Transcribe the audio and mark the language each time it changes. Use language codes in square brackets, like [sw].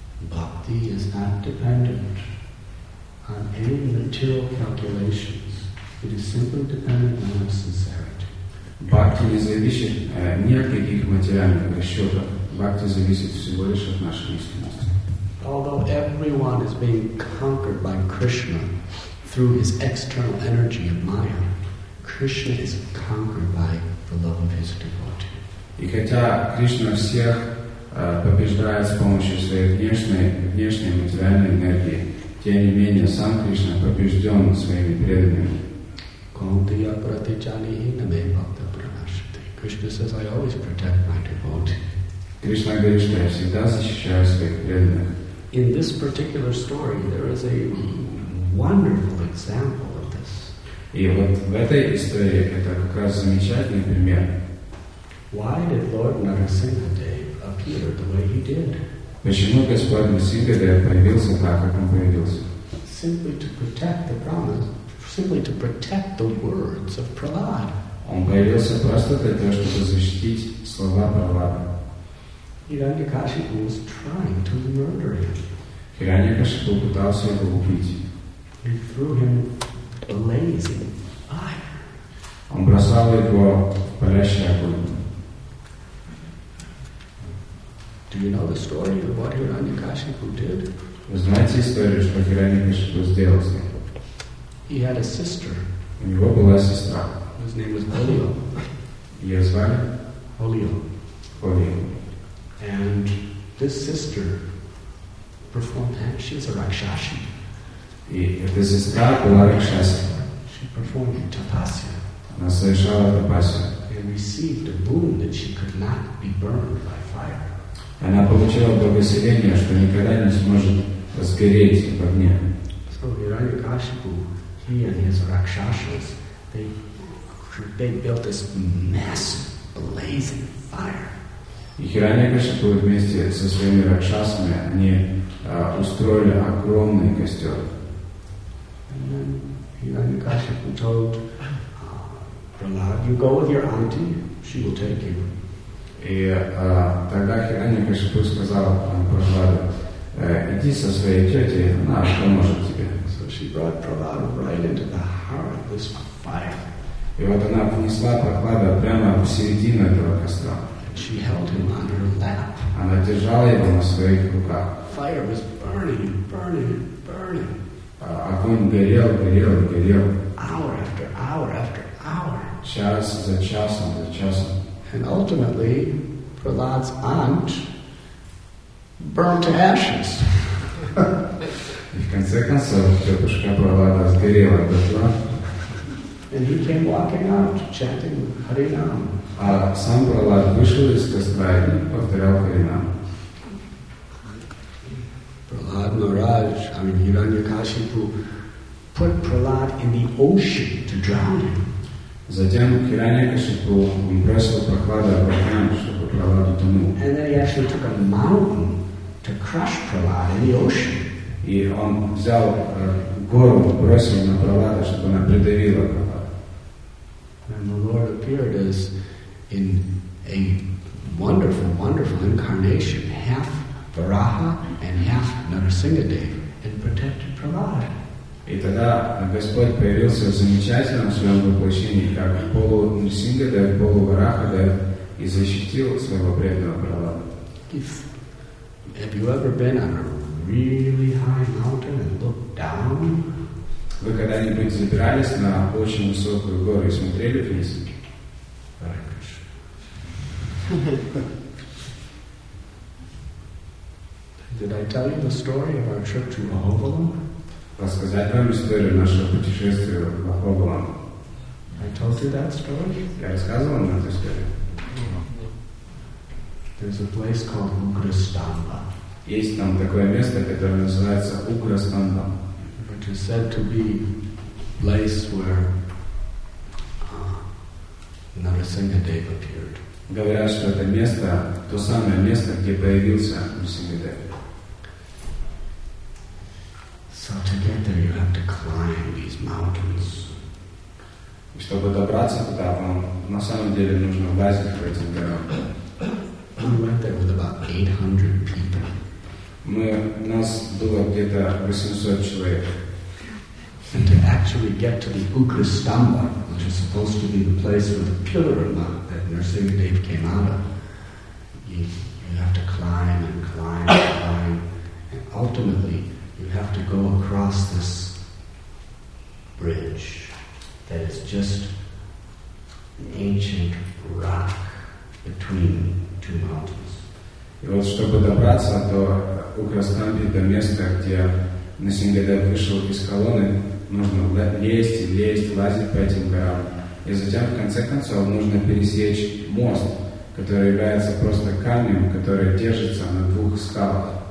[en] Bhakti is not dependent on any material calculations. It is simply dependent on our sincerity. [ru] Бхакти не зависит ни от каких материальных расчетов. Бхакти зависит всего лишь от нашей искренности. [en] Although everyone is being conquered by Krishna through his external energy of Maya, Krishna is conquered by the love of his devotee. [ru] И хотя Кришна всех побеждает с помощью своей внешней материальной энергии. Тем не менее, сам Кришна побежден своими преданными. [sa] Kauntiya pratichalihi na me bhakta pranashati. [en] Krishna says, I always protect my devotee. [ru] Кришна говорит, что я всегда защищаю своих преданных. [en] In this particular story, there is a wonderful example of this. [ru] И вот в этой истории это как раз замечательный пример. [en] Why did Lord Narasimha Dev appear the way he did? [ru] Почему Господь Нарасимхадев появился так, как он появился? [en] Simply to protect the promise. Simply to protect the words of Prahlad. [ru] Он появился просто для того, чтобы защитить слова Прахлада. [en] Hiranyakashipu was trying to murder him. [ru] Hiranyakashipu пытался его убить. [en] He threw him blazing iron. [ru] Он бросал его палящий огонь. [en] Do you know the story of what Hiranyakashipu did? [ru] Вы знаете историю, что Hiranyakashipu сделал с ним? [en] He had a sister. [ru] У него была сестра. [en] His name was Holio. [ru] Ее звали? [en] Holio. [ru] Holio. [en] And this sister performed magic. She was a Rakshasi. This is Kapila Rakshasi. She performed tapasya. [ru] Она совершала тапасию. [en] And received a boon that she could not be burned by fire. [ru] Она получила благословение, что никогда не сможет сгореть в огне. [en] So Hiranyakashipu, he and his Rakshasas, they built this massive blazing fire. [ru] И Хираньякашипу вместе со своими ракшасами они устроили огромный костер. [en] Хираньякашипу told Prahlad, "You go with your auntie; she will take you." [ru] И тогда Хираньякашипу сказал Прахладу, "Иди со своей тетей, она поможет тебе." [en] So she brought Prahlad right into the heart of this fire. [ru] И вот она понесла Прахлада прямо в середину этого костра. [en] She held him on her lap. [ru] Она держала его на своих руках. [en] Fire was burning, burning, burning. [ru] Огонь горел, горел, горел. [en] Hour after hour after hour. [ru] Час за часом, за часом. [en] And ultimately, Prahlad's aunt burned to ashes. [ru] И в конце концов, тетушка Прахлада сгорела до тла. [en] And he came walking out, chanting Харинам. [ru] А сам Прахлад вышел из костра и повторял Харинам. [en] Прахлад Махарадж, Хиранякашипу, put Prahlad in the ocean to drown him. [ru] Затем Хиранякашипу бросил Прахлада в океан, чтобы Прахлад утонул. [en] And then he actually took a mountain to crush Prahlad in the ocean. [ru] И он взял гору, бросил на Прахлада, чтобы она придавила Прахлада. [en] And the Lord appeared as in a wonderful, wonderful incarnation, half Varaha and half Narasimhadev, and protected Prahlad. [ru] И тогда Господь появился в замечательном своем воплощении, как полу Нарасимхадев, полу Варахадев, и защитил своего преданного Прахлада. [en] Have you ever been on a really high mountain and looked down? [ru] Вы когда-нибудь забирались на очень высокую гору и смотрели вниз? [en] Did I tell you the story of our trip to Mahovalam? [ru] Рассказать вам историю нашего путешествия в Mahovalam. [en] I told you that story? [ru] Я рассказывал вам эту историю. [en] There's a place called Ugrastamba. [ru] Есть там такое место, которое называется Ugrastamba. [en] Which is said to be a place where Narasimhadev appeared. [ru] Говорят, что это место, то самое место, где появился Нарасимхадев. [en] So to get there, you have to climb these mountains. [ru] И чтобы добраться туда, вам на самом деле нужно влазить в эти горы. [en] We went there with about 800 people. [ru] У нас было где-то 800 человек. [en] And to actually get to the Ugrastamba, which is supposed to be the place where the pillar of mud that Narasimhadev came out of, you have to climb and climb and climb, and ultimately you have to go across this bridge that is just an ancient rock between two mountains. [ru] И вот чтобы добраться до Украстамби, до места, где Насингхадев вышел из колонны, нужно лезть и лезть, лазить по этим горам. И затем, в конце концов, нужно пересечь мост, который является просто камнем, который держится на двух скалах.